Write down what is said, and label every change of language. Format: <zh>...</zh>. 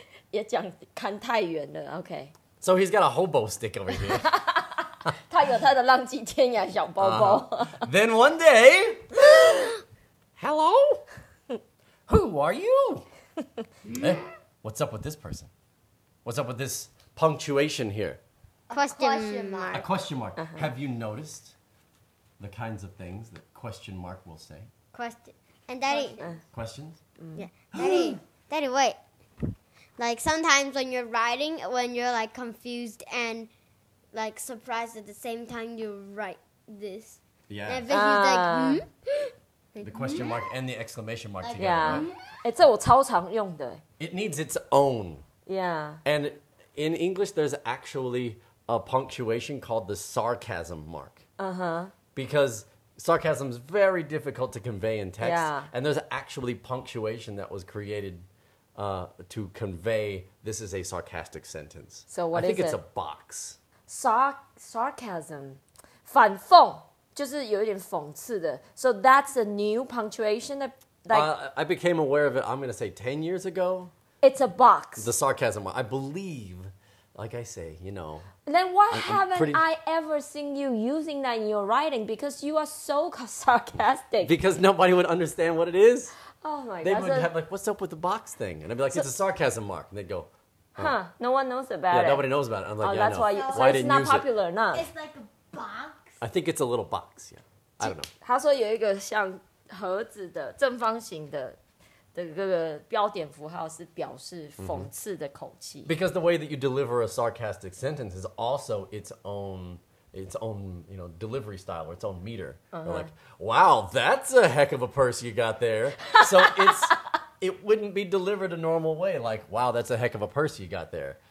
<zh>也讲看太远了</zh> <en>okay. So he's got a hobo stick over here.</en> <zh>他有他的浪迹天涯小包包。</zh> <en>Then one day, hello, who are you? Hey, what's up with this person? What's up with this punctuation here? A question mark. A question mark. Uh-huh. Have you noticed the kinds of things that question mark will say? Questions. Questions? Yeah. Daddy, wait. Like, sometimes when you're writing, when you're, like, confused and, like, surprised at the same time, you write this. Yeah. And then he's like, The question mark and the exclamation mark together, yeah. Right?</en> <zh>这我超常用的。</zh> <en>It needs its own. Yeah. And in English, there's actually a punctuation called the sarcasm mark. Uh-huh. Because sarcasm is very difficult to convey in text. Yeah. And there's actually punctuation that was created to convey this is a sarcastic sentence. So what I think is it's it? A box. Sarcasm.</en> <zh>反讽就是有一点讽刺的。</zh> <en>So that's a new punctuation? I became aware of it, I'm going to say 10 years ago. It's a box. The sarcasm. I believe, like I say, you know. Then why haven't I ever seen you using that in your writing? Because you are so sarcastic. Because nobody would understand what it is. Oh my God. They would have like, what's up with the box thing? And I'd be like, it's a sarcasm mark. And they'd go, huh. No one knows about yeah, it. Yeah, nobody knows about it. I'm like, oh, yeah, that's I know. Why, you, why so it's not popular it? Enough. It's like a box? I think it's a little box, yeah. I don't know.</en> <zh>他说有一个像盒子的正方形的的这个标点符号是表示讽刺的口气。 Mm-hmm.</zh> <en>Because the way that you deliver a sarcastic sentence is also its own you know, delivery style or its own meter. Uh-huh. Like, wow, that's a heck of a purse you got there. So it's, it wouldn't be delivered a normal way. Like, wow, that's a heck of a purse you got there.</en>